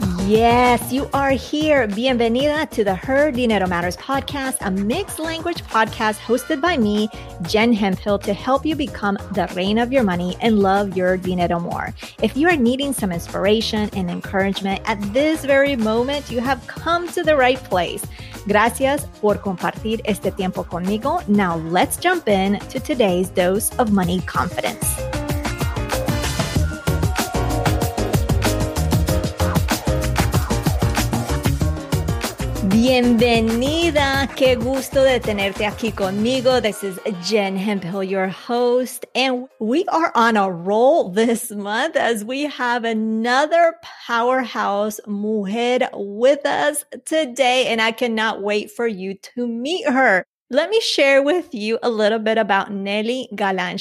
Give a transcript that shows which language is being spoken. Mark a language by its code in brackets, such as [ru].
[en] Yes, you are here. Bienvenida to the Her Dinero Matters podcast, a mixed language podcast hosted by me, Jen Hemphill, to help you become the reina of your money and love your dinero more. If you are needing some inspiration and encouragement at this very moment, you have come to the right place. [es] Gracias por compartir este tiempo conmigo. [en] Now let's jump in to today's dose of money confidence. [es] Bienvenida. Qué gusto de tenerte aquí conmigo. [en] This is Jen Hemphill, your host. And we are on a roll this month as we have another powerhouse mujer with us today. And I cannot wait for you to meet her. Let me share with you a little bit about Nelly Galán.